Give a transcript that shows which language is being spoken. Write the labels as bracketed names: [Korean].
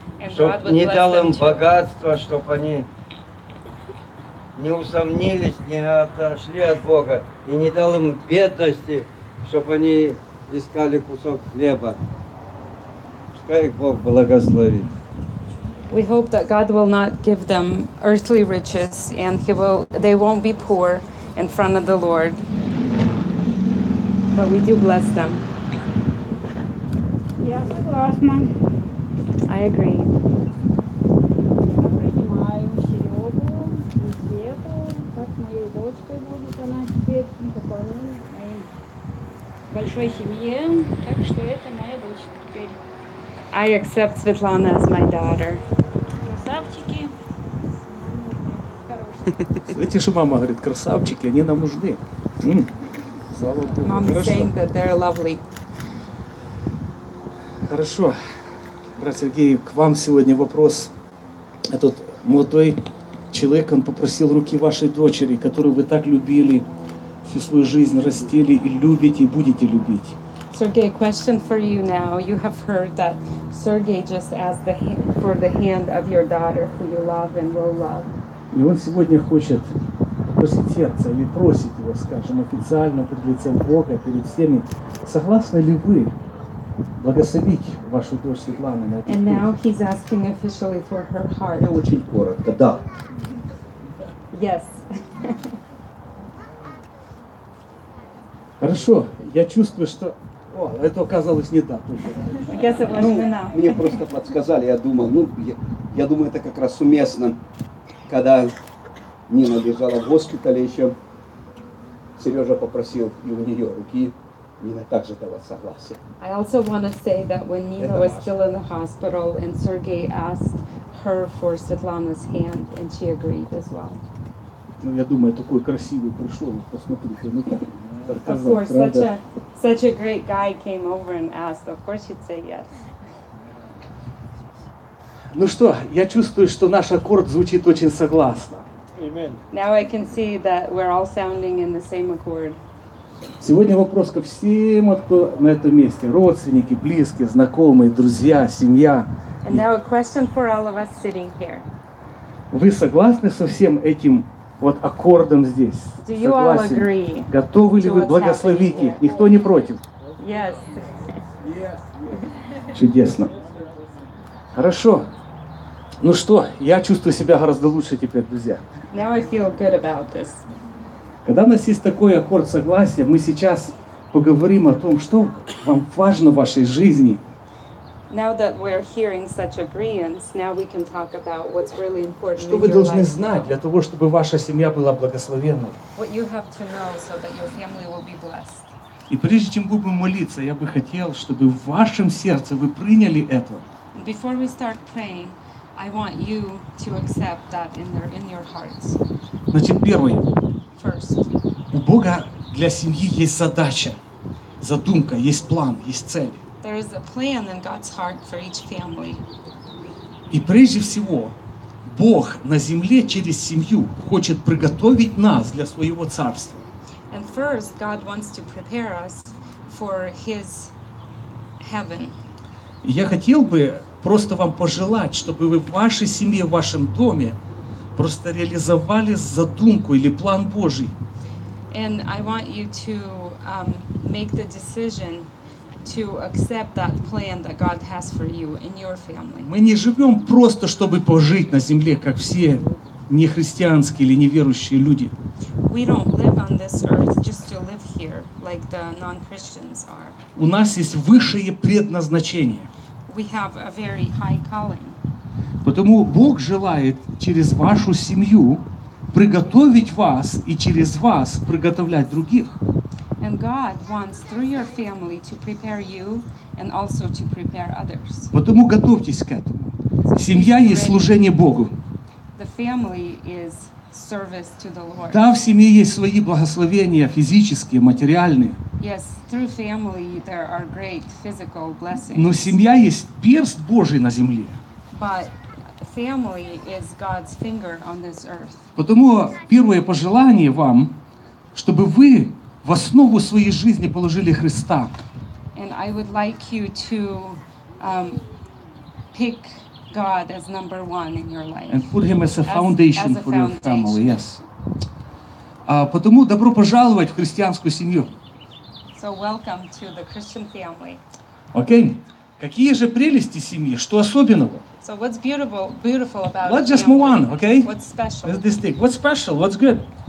[Russian] Чтобы не дал им богатства, чтобы они не усомнились, не отошли от Бога. И не дал им бедности, чтобы они искали кусок хлеба. Пускай их Бог благословит. [English] We hope that God will not give them earthly riches, and they won't be poor in front of the Lord. But we do bless them. [Russian] Согласна. [English] I agree. [Russian] Я принимаю Серегу и Свету, как с моей дочкой будет она теперь, наполнена большой семье, так что это моя дочка теперь. [English] I accept Svetlana as my daughter. [Russian] Красавчики. Знаете, что мама говорит, красавчики, они нам нужны. Мама говорит, что они красивые. Хорошо, брат Сергей, к вам сегодня вопрос. Этот молодой человек, он попросил руки вашей дочери, которую вы так любили, всю свою жизнь растили и любите, и будете любить. [English] Сергей, question for you now. You have heard that Sergey just asked for the hand of your daughter, who you love and will love. [Russian] И он сегодня хочет попросить сердца или просить его, скажем, официально перед лицем Бога, перед всеми. Согласны ли вы благословить вашу дочь Светлану на этот [English] And [Russian] путь. [English] Now he's asking officially for her heart. [Russian] Я очень коротко, да. [English] Yes. [Russian] Хорошо, я чувствую, что... О, это оказалось не так. [English] I guess it wasn't enough. [Russian] Мне просто подсказали, я думал, ну, я думаю, это как раз уместно. Когда Нина лежала в госпитале еще, Сережа попросил и у нее руки. [English] I also want to say that when Nina was still in the hospital and Sergey asked her for Svetlana's hand and she agreed as well. [Russian] Ну, я думаю, такой красивый пришел, посмотрите, ну так. [English] Of course, such a great guy came over and asked. Of course, she'd say yes. [Russian] Ну что, я чувствую, что наш аккорд звучит очень согласно. [English] Amen. Now I can see that we're all sounding in the same accord. [Russian] Сегодня вопрос ко всем, кто на этом месте. Родственники, близкие, знакомые, друзья, семья. [English] And now a question for all of us sitting here. [Russian] Вы согласны со всем этим вот аккордом здесь? [English] Do you all agree? [Russian] Готовы ли вы благословить их? Никто не против? [English] Yes. [Russian] Чудесно. Хорошо. Ну что, я чувствую себя гораздо лучше теперь, друзья. [English] Now I feel good about this. [Russian] Когда у нас есть такой аккорд согласия, мы сейчас поговорим о том, что вам важно в вашей жизни. [English] Now that we're hearing such agreements, now we can talk about what's really important. [Russian] Что вы должны знать для того, чтобы ваша семья была благословенна? [English] What you have to know so that your family will be blessed. [Russian] И прежде чем будем молиться, я бы хотел, чтобы в вашем сердце вы приняли это. [English] Before we start praying, I want you to accept that in your hearts. [Russian] Значит, первое. [English] First. [Russian] У Бога для семьи есть задача, задумка, есть план, есть цель. [English] There is a plan in God's heart for each family. [Russian] И прежде всего, Бог на земле через семью хочет приготовить нас для своего царства. [English] And first, God wants to prepare us for His heaven. [Russian] Я хотел бы просто вам пожелать, чтобы вы в вашей семье, в вашем доме просто реализовали задумку или план Божий. [English] And I want you to make the decision to accept that plan that God has for you and your family. [Russian] Мы не живем просто, чтобы пожить на земле, как все нехристианские или неверующие люди. [English] We don't live on this earth just to live here, like the non-Christians are. [Russian] У нас есть высшее предназначение. [English] We have a very high calling. [Russian] Потому Бог желает через вашу семью приготовить вас и через вас приготовлять других. [English] And God wants through your family to prepare you and also to prepare others. [Russian] Потому готовьтесь к этому. Семья есть служение Богу. [English] The family is service to the Lord. [Russian] Да, в семье есть свои благословения физические, материальные. [English] Yes, through family there are great physical blessings. [Russian] Но семья есть перст Божий на земле. [English] But family is God's finger on this earth. [Russian] Потому первое пожелание вам, чтобы вы в основу своей жизни положили Христа. [English] And I would like you to pick God as number one in your life. And put him as a foundation for your family, yes. [Russian] Потому добро пожаловать в христианскую семью. [English] So welcome to the Christian family. Okay. [Russian] Какие же прелести семьи? Что особенного? [English] So what's beautiful about Let's just move on, okay? What's special? Let's just think. What's special? What's good?